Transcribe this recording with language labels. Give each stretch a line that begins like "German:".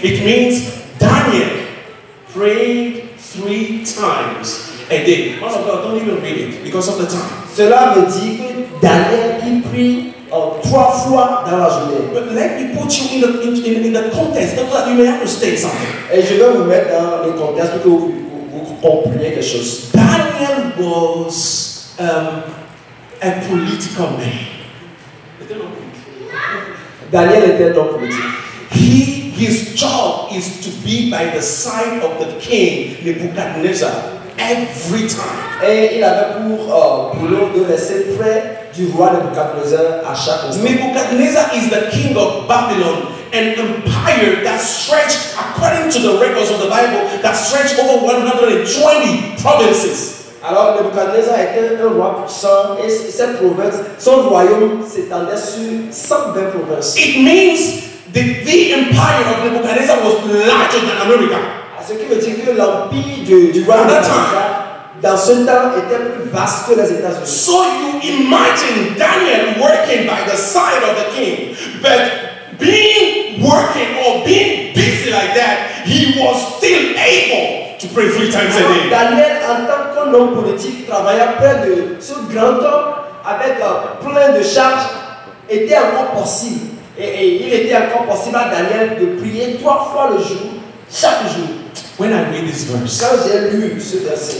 English: It means Daniel prayed 3 times a day. Oh no, God, don't even read it because of the time.
French: Cela veut dire que Daniel il prie trois fois dans la journée.
English: But let me put you in the context so that you may understand something.
French: Et je vais vous mettre dans le contexte pour que vous compreniez quelque chose.
English: Daniel was a political man.
French: Daniel était un politique.
English: His job is to be by the side of the king Nebuchadnezzar every time.
French: Et il avait pour boulot de rester près du roi Nebuchadnezzar à chaque instant.
English: Nebuchadnezzar is the king of Babylon, an empire that stretched, according to the records of the Bible, that stretched over 120 provinces.
French: Alors Nebuchadnezzar était un roi puissant et cette province, son royaume s'étendait sur 120 provinces.
English: It means the empire of Nebuchadnezzar was larger than America.
French: Ce qui veut dire que l'empire du roi Nebuchadnezzar dans ce temps était plus vaste que les États-Unis.
English: So you imagine Daniel working by the side of the king, but being working or being busy like that, he was still able to pray three times a day.
French: Daniel, en tant qu'un homme politique, travaillait près de ce grand homme avec plein de charges, était encore possible. Et il était encore possible à Daniel de prier trois fois le jour, chaque jour.
English: When I read this verse,
French: quand j'ai lu ce verset,